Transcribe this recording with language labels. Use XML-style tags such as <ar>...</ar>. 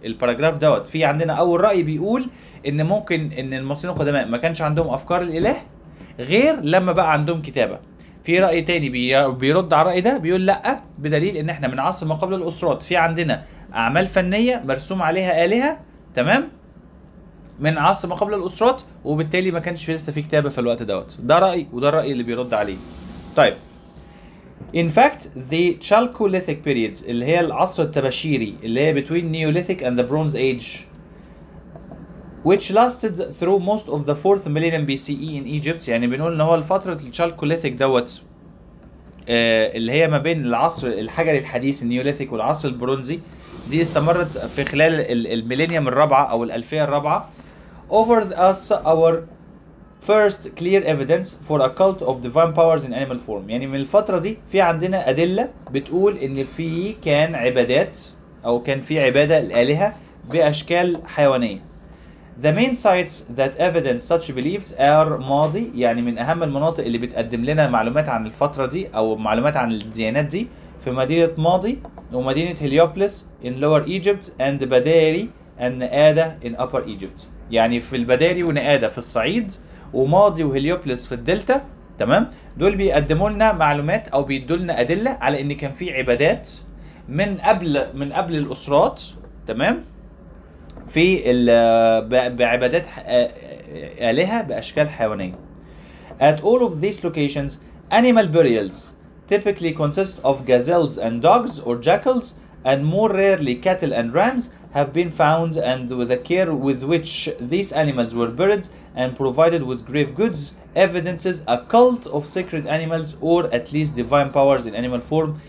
<ar>الباراجراف دوت في عندنا اول راي بيقول ان ممكن ان المصريين القدماء ما كانش عندهم افكار الاله غير لما بقى عندهم كتابه. في راي تاني بيرد على الراي ده بيقول لا، بدليل ان احنا من عصر ما قبل الاسرات في عندنا اعمال فنيه مرسوم عليها الهه تمام من عصر ما قبل الاسرات، وبالتالي ما كانش لسه في كتابه في الوقت دوت. ده راي، وده الراي اللي بيرد عليه. طيب</ar> <en>In fact, the Chalcolithic period</en> <ar>اللي هي العصر التبشيري اللي هي</ar> <en>between Neolithic and the Bronze Age which lasted through most of the 4th millennium BCE in Egypt.</en> <ar>يعني بنقول ان هو الفترة Chalcolithic دوت اللي هي ما بين العصر الحجري الحديث Neolithic والعصر البرونزي دي استمرت في خلال الميلينيوم الرابعة او الالفية الرابعة.</ar> <en>Over us our first clear evidence for a cult of divine powers in animal form.</en> <ar>يعني من الفترة دي في عندنا أدلة بتقول إن في كان عبادات أو كان في عبادة الآلهة بأشكال حيوانية.</ar> <en>The main sites that evidence such beliefs are ماضي.</en> <ar>يعني من أهم المناطق اللي بتقدم لنا معلومات عن الفترة دي أو معلومات عن الديانات دي في مدينة ماضي ومدينة هليوبلس</ar> <en>in lower Egypt and</en> <ar>بداري and نقادة</ar> <en>in upper Egypt.</en> <ar>يعني في البداري ونقادة في الصعيد وماضي وهليوبلس في الدلتا تمام، دول بيقدموا لنا معلومات او بيدوا لنا ادله على ان كان في عبادات من قبل الاسرات تمام، في بعبادات الهه باشكال حيوانيه.</ar> <en>At all of these locations animal burials typically consist of gazelles and dogs or jackals and more rarely cattle and rams have been found and with the care with which these animals were buried and provided with grave goods evidences a cult of sacred animals or at least divine powers in animal form.</en>